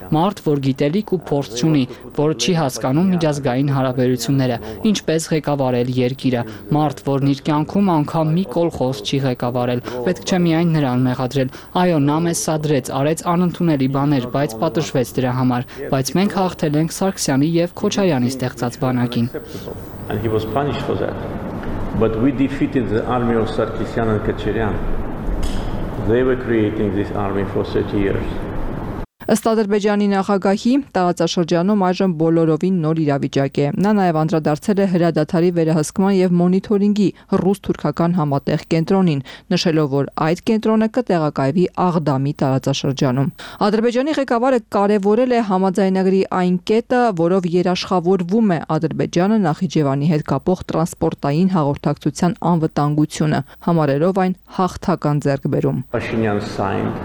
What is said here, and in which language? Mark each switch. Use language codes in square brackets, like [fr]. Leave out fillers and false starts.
[hy] մարդ, որ գիտելիք ու փորձ ունի, որ չի հասկանում միջազգային հարաբերությունները, ինչպես ղեկավարել երկիրը, մարդ, որ իր կյանքում անգամ մի կոլխոս չի ղեկավարել, պետք չէ միայն նրան մեղադրել, այո, նա մեզ սադրեց, արեց անընդունելի բաներ, բայց պատժվեց դրա համար, բայց մենք հաղթել ենք Սարգսյանի եւ Քոչարյանի ստեղծած բանակին։ [en] And he was punished for that. But we defeated the army of Sarkisian and Kacharyan. They were creating this army for 30 years. [hy] Ըստ Ադրբեջանի նախագահի, տարածաշրջանում այժմ բոլորովին նոր իրավիճակ է։ Նա նաև անդրադարձել է հրադադարի վերահսկման եւ մոնիթորինգի ռուս-թուրքական համատեղ կենտրոնին, նշելով, որ այդ կենտրոնը կտեղակայվի Աղդամի տարածաշրջանում։ Ադրբեջանի ղեկավարը կարևորել է համաձայնագրի այն կետը, որով երաշխավորվում է Ադրբեջանը Նախիջևանի հետ կապող տրանսպորտային հաղորդակցության անվտանգությունը, համարելով այն հաղթական ձեռքբերում։